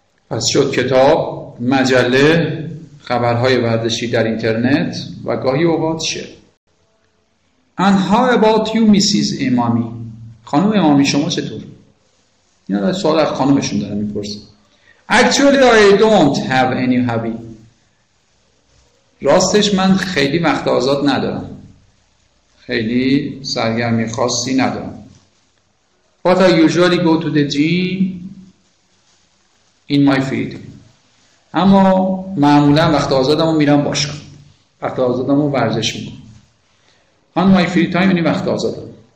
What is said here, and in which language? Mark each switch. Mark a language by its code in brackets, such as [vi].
[fa] پس شد کتاب، مجله، خبرهای ورزشی در اینترنت و گاهی اوقات شعر. [en] And how about you, Mrs. Imami? [fa] خانم امامی شما چطور؟ این را سوال از خانمشون دارم میپرسم. [en] Actually, I don't have any hobby. [fa] راستش من خیلی وقت آزاد ندارم. خیلی سرگرمی خاصی ندارم. [en] But I usually go to the gym in my field. [fa] اما معمولا وقت آزادم رو میرم باشگاه. وقت آزادم رو ورزش میکنم. [en] On my free time [fa] یعنی وقت آزادم.